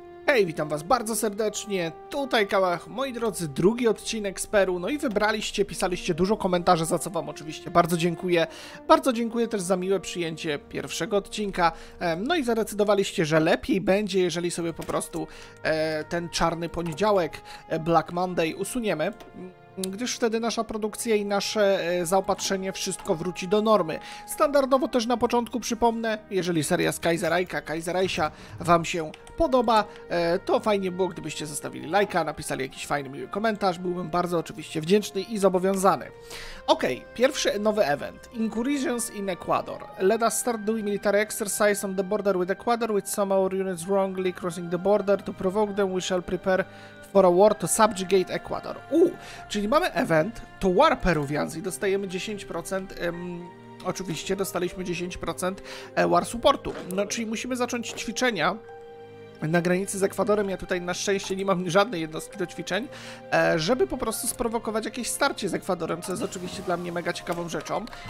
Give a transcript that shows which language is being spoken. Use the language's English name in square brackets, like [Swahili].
[Polish] Hej, witam was bardzo serdecznie, tutaj Kałach, moi drodzy, drugi odcinek z Peru, no i wybraliście, pisaliście dużo komentarzy, za co wam oczywiście bardzo dziękuję też za miłe przyjęcie pierwszego odcinka, no i zadecydowaliście, że lepiej będzie, jeżeli sobie po prostu ten czarny poniedziałek, Black Monday, usuniemy, gdyż wtedy nasza produkcja i nasze zaopatrzenie wszystko wróci do normy. Standardowo też na początku przypomnę, jeżeli seria z Kaiserreicha wam się podoba, to fajnie było, gdybyście zostawili lajka, napisali jakiś fajny, miły komentarz. Byłbym bardzo oczywiście wdzięczny i zobowiązany. Okej, pierwszy nowy event. [English] Incursions in Ecuador. Let us start doing military exercise on the border with Ecuador with some of our units wrongly crossing the border. To provoke them, we shall prepare for a war to subjugate Ecuador. [Polish] Czyli mamy event, to war peruwiański, dostajemy 10%, oczywiście dostaliśmy 10% war supportu. No, czyli musimy zacząć ćwiczenia na granicy z Ekwadorem, ja tutaj na szczęście nie mam żadnej jednostki do ćwiczeń, żeby po prostu sprowokować jakieś starcie z Ekwadorem, co jest oczywiście dla mnie mega ciekawą rzeczą.